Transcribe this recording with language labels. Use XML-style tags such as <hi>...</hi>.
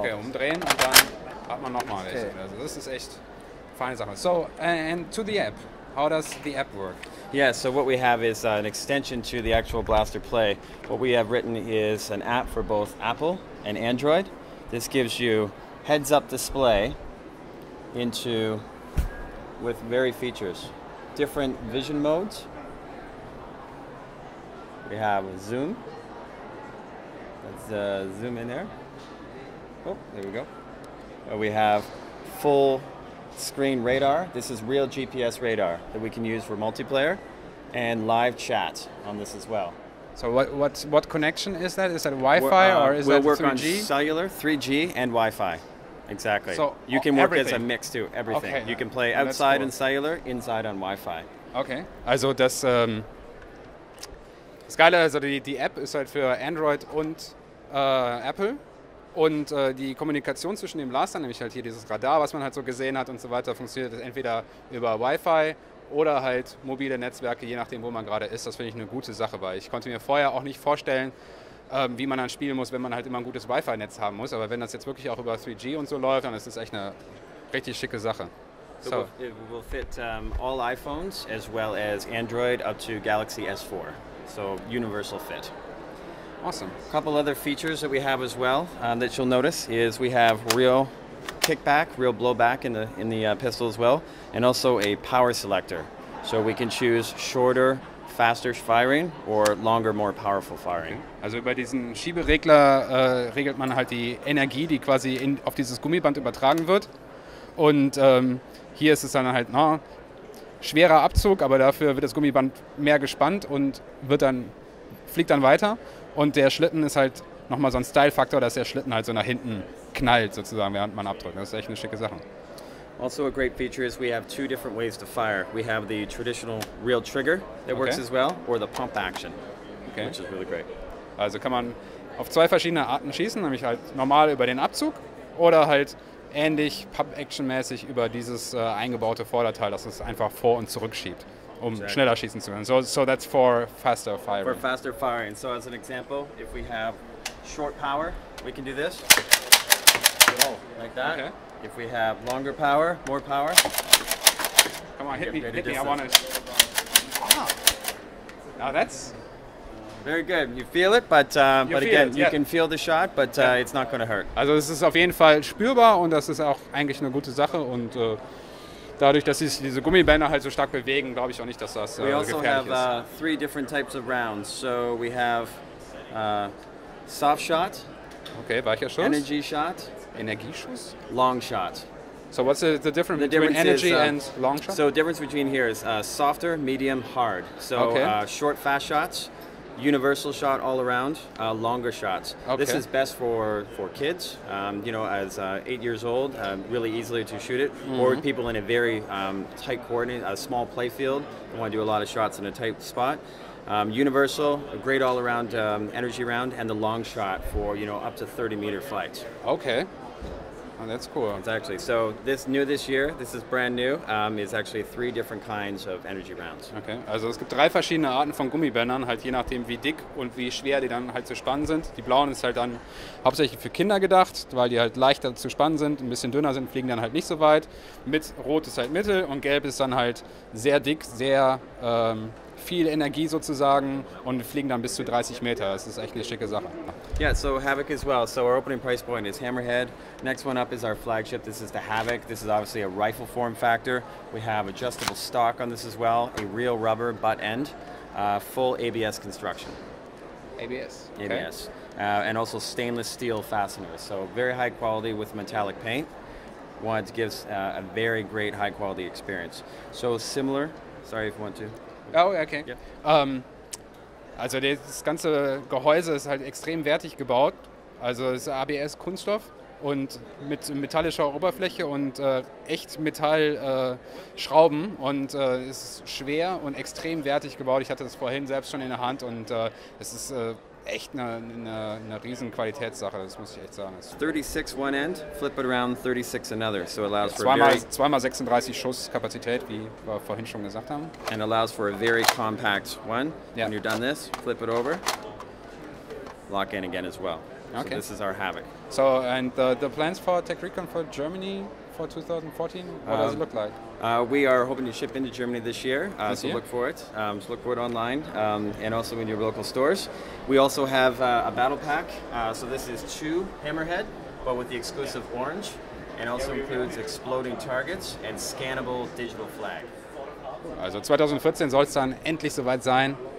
<de>Okay, umdrehen und dann hat man nochmal. Okay. Also das ist echt feine Sache.</de> <en>So, and to the app. How does the app work? Yeah, so what we have is an extension to the actual blaster play. What we have written is an app for both Apple and Android. This gives you heads-up display into with varied features. Different vision modes. We have a zoom. Let's zoom in there. Oh, there we go. We have full screen radar. This is real GPS radar that we can use for multiplayer and live chat on this as well. So what connection is that? Is that Wi-Fi or is we'll that 3G? We'll work on cellular, 3G and Wi-Fi. Exactly. So you can work everything. As a mix too. Everything. Okay, you can play outside cool. In cellular, inside on Wi-Fi. Okay.</en> <de>Also das, das Geile, also die App ist halt für Android und Apple. Und die Kommunikation zwischen dem Blaster, nämlich halt hier dieses Radar, was man halt so gesehen hat und so weiter, funktioniert entweder über Wi-Fi oder halt mobile Netzwerke, je nachdem, wo man gerade ist. Das finde ich eine gute Sache, weil ich konnte mir vorher auch nicht vorstellen, wie man dann spielen muss, wenn man halt immer ein gutes Wi-Fi-Netz haben muss. Aber wenn das jetzt wirklich auch über 3G und so läuft, dann ist das echt eine richtig schicke Sache.</de> <en>So. It will fit all iPhones as well as Android up to Galaxy S4. So universal fit. Awesome. A couple other features that we have as well that you'll notice is we have real kickback, real blowback in the pistol as well, and also a power selector. So we can choose shorter, faster firing or longer, more powerful firing. Okay.</en> <de>Also bei diesem Schieberegler regelt man halt die Energie, die quasi auf dieses Gummiband übertragen wird. Und hier ist es dann halt schwerer Abzug, aber dafür wird das Gummiband mehr gespannt und fliegt dann weiter. Und der Schlitten ist halt nochmal so ein Style-Faktor, dass der Schlitten halt so nach hinten knallt sozusagen, während man abdrückt. Das ist echt eine schicke Sache.</de> <en>Also a great feature is we have two different ways to fire. We have the traditional real trigger that works as well, or the pump action, which is really great.</en> <de>Also kann man auf zwei verschiedene Arten schießen, nämlich halt normal über den Abzug oder halt ähnlich Pump-Action-mäßig über dieses eingebaute Vorderteil, dass es einfach vor und zurück schiebt. Schneller schießen zu können.</de> <en>So that's for faster firing. For faster firing. So as an example, if we have short power, we can do this. Like that. Okay. If we have longer power, more power. Come on, hit me. I want it. Wow. Now that's very good. You feel it, but you can feel the shot, but it's not going to hurt.</en> <de>Also es ist auf jeden Fall spürbar und das ist auch eigentlich eine gute Sache und dadurch, dass sich diese Gummibänder halt so stark bewegen, glaube ich auch nicht, dass das gefährlich ist.</de> <en>We also have three different types of rounds. So we have soft shot.</en> <de>Okay, weicher Schuss.</de> <en>Energy shot.</en> <de>Energieschuss.</de> <en>Long shot. So what's the difference the between difference energy is, and long shot? So difference between here is softer, medium, hard. So short, fast shots. Universal shot all around, longer shots. Okay. This is best for kids, as 8 years old, really easily to shoot it. Mm-hmm. Or people in a very tight coordinate, a small play field, they want to do a lot of shots in a tight spot. Universal, a great all around energy round, and the long shot for, up to 30 meter flights. Okay. Oh, that's cool. Exactly. So this new this year, this is brand new, is actually three different kinds of energy rounds.</en> <de>Okay, also es gibt drei verschiedene Arten von Gummibändern, halt je nachdem wie dick und wie schwer die dann halt zu spannen sind. Die blauen ist halt dann hauptsächlich für Kinder gedacht, weil die halt leichter zu spannen sind, ein bisschen dünner sind, fliegen dann halt nicht so weit. Mit rot ist halt mittel und gelb ist dann halt sehr dick, sehr viel Energie sozusagen und fliegen dann bis zu 30 Meter. Das ist echt eine schicke Sache.</de> <en>Yeah, so Havoc as well. So our opening price point is Hammerhead. Next one up is our flagship. This is the Havoc. This is obviously a rifle form factor. We have adjustable stock on this as well. A real rubber butt end. Full ABS construction. ABS. Okay. ABS. And also stainless steel fasteners. So very high quality with metallic paint. One gives a very great high quality experience. So similar. Sorry if you want to. Oh, okay. Yeah.</en> <de>Also das ganze Gehäuse ist halt extrem wertig gebaut. Also es ist ABS-Kunststoff und mit metallischer Oberfläche und echt Metallschrauben. Und es ist schwer und extrem wertig gebaut. Ich hatte das vorhin selbst schon in der Hand und es ist echt eine riesen Qualitätssache, das muss ich echt sagen.</de> <en>36 one end, flip it around 36 another. So allows for</en> <de>zweimal 36 Schuss Kapazität, wie wir vorhin schon gesagt haben.</de> <en>And allows for a very compact one. Yeah. When you're done this, flip it over, lock in again as well. Okay. So this is our Havoc. So, and the plans for Tech Recon for Germany for 2014, what does it look like? We are hoping to ship into Germany this year, this year? Look for it. So look for it online and also in your local stores. We also have a battle pack. So this is two Hammerhead, but with the exclusive orange, and also includes exploding targets and scannable digital flag.</en> <de>Also 2014 soll es dann endlich soweit sein.</de>